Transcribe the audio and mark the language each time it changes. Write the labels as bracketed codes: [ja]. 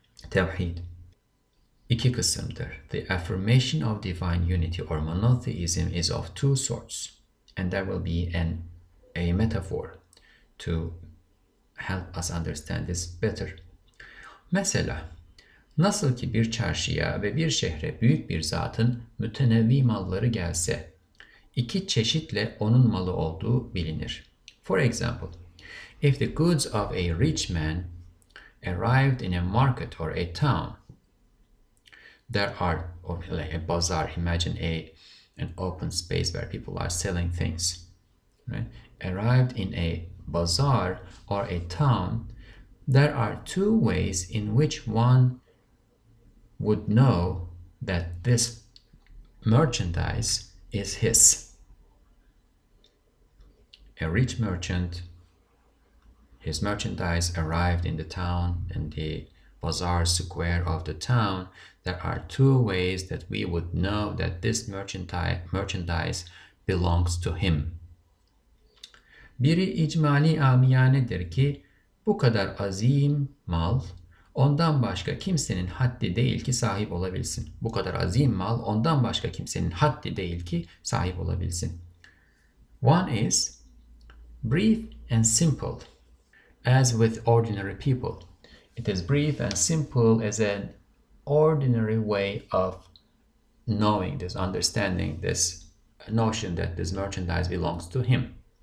[tr] Tevhid. İki kısımdır. [en] The affirmation of divine unity or monotheism is of two sorts. And there will be a metaphor to help us understand this better. [tr] Mesela, nasıl ki bir çarşıya ve bir şehre büyük bir zatın mütenevvi malları gelse, iki çeşitle onun malı olduğu bilinir. [en] For example, if the goods of a rich man arrived in a market or a town, there are, or like a bazaar, imagine an open space where people are selling things, right? Arrived in a bazaar or a town, there are two ways in which one would know that this merchandise is his. A rich merchant, his merchandise arrived in the town, in the bazaar square of the town. There are two ways that we would know that this merchandise belongs to him. [tr] Biri icmali amiyanedir ki bu kadar azim mal ondan başka kimsenin haddi değil ki sahip olabilsin. Bu kadar azim mal ondan başka kimsenin haddi değil ki sahip olabilsin. [en] One is brief and simple, as with ordinary people. It is brief and simple as an ordinary way of knowing this, understanding this notion that this merchandise belongs to him.